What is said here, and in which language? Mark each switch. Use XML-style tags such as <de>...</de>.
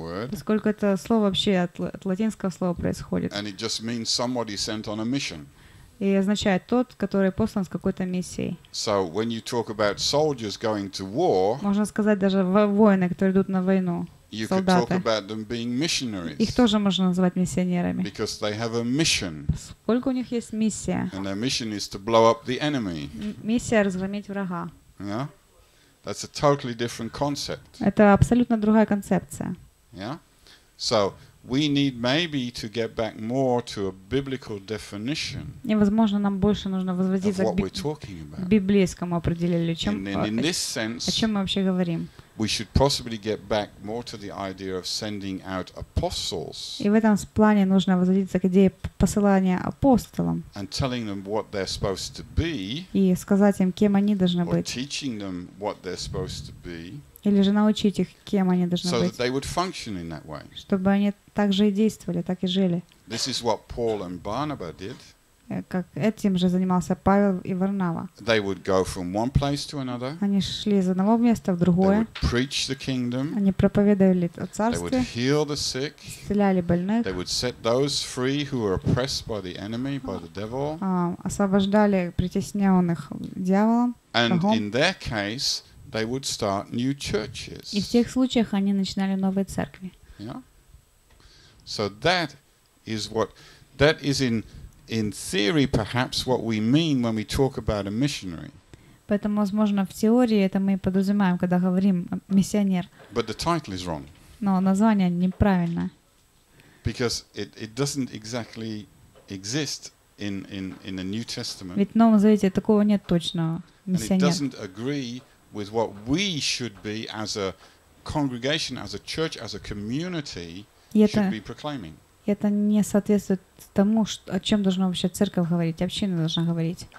<ru>Поскольку это слово вообще от латинского слова происходит.</ru> <en>And it just means somebody sent on a mission.</en> <ru>И означает тот, который послан с какой-то миссией.</ru> <en>So when you talk about soldiers going to war,</en> <ru>можно сказать даже воины, которые идут на войну.</ru> <en>You</en> <ru>солдаты.</ru> <en>Could talk about them being missionaries.</en> <ru>Их тоже можно назвать миссионерами.</ru> <en>Because they have a mission.</en> <ru>Сколько у них есть миссия?</ru> <en>And their mission is to blow up the enemy.</en> <ru>Миссия разгромить врага.</ru> <en>Yeah, that's a totally different concept.</en> <ru>Это абсолютно другая концепция.</ru> <en>Yeah, so we need maybe to get back more to a biblical definition.</en> <ru>И возможно нам больше нужно возвратиться к библейскому определению, чем о чем мы вообще говорим.</ru> <en>We should possibly get back more to the idea of sending out apostles.</en> <ru>И в этом плане нужно возвратиться к идее посылания апостолам.</ru> <en>And telling them what they're supposed to be.</en> <ru>И сказать им, кем они должны быть.</ru> <en>Or teaching them what they're supposed to be.</en> <ru>Или же научить их, кем они должны</ru> <en>so</en> <ru>быть.</ru> <en>That they would function in that way.</en> <ru>Чтобы они так же и действовали, так и жили.</ru> <en>This is what Paul and Barnaba did.</en> <ru>Как этим же занимался Павел и Варнава.</ru> <en>They would go from one place to another.</en> <ru>Они шли из одного места в другое.</ru> <en>They would preach the kingdom.</en> <ru>Они проповедовали о царстве.</ru> <en>They would heal the sick.</en> <ru>Исцеляли больных.</ru> <en>They would set those free who were oppressed by the enemy, by the devil.</en> <ru>Освобождали притесненных дьяволом.</ru> <en>And in their case, they would start new churches.</en> <ru>И в тех случаях они начинали новые церкви.</ru> <en>Yeah. So that is in theory, perhaps, what we mean when we talk about a missionary.</en> <ru>Поэтому, возможно, в теории это мы подразумеваем, когда говорим миссионер.</ru> <en>But the title is wrong.</en> <ru>Но название неправильно.</ru> <en>Because it doesn't exactly exist in the New Testament.</en> <ru>Ведь в Новом Завете такого нет точно миссионер.</ru> <en>And it doesn't agree with what we should be as a congregation, as a church, as a community should be proclaiming.</en> <ru>Это не соответствует тому, о чем должна вообще церковь говорить, община должна говорить.</ru>